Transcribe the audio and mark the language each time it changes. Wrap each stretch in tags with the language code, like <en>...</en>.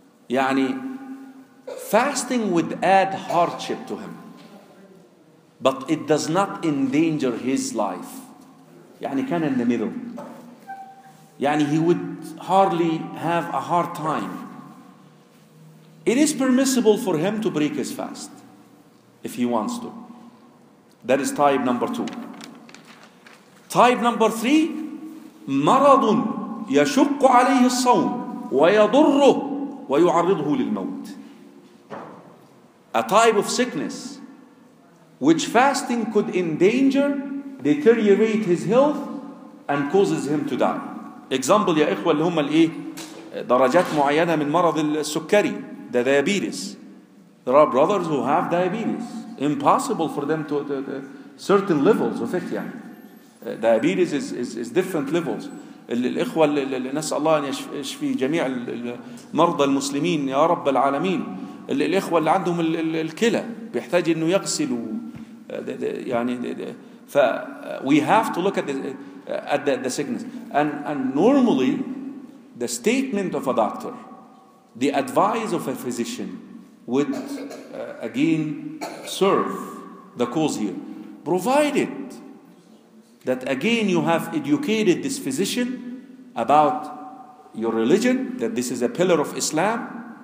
<en>يعني fasting would add hardship to him, but it does not endanger his life.</en> <ar>يعني كان</ar> <en>in the middle. يعني he would hardly have a hard time. It is permissible for him to break his fast if he wants to. That is type number two. Type number three,</en> <ar>مرض يشق عليه الصوم ويضره ويعرضه للموت.</ar> <en>A type of sickness which fasting could endanger, deteriorate his health, and causes him to die. Example,</en> <ar>يا إخوة اللي هم الإيه درجات معينة من مرض السكري,</ar> <en>the diabetes. There are brothers who have diabetes. Impossible for them to certain levels of it.</en> <ar>يعني.</ar> <en>Diabetes is different levels.</en> <ar>الإخوة اللي نسأل الله أن يشفي جميع المرضى المسلمين يا رب العالمين. الإخوة اللي عندهم الكلى بيحتاج إنه يغسل و... يعني ف</ar> <en>we have to look at the sickness. And normally the statement of a doctor, the advice of a physician would again serve the cause here, provided that again you have educated this physician about your religion, that this is a pillar of Islam.</en>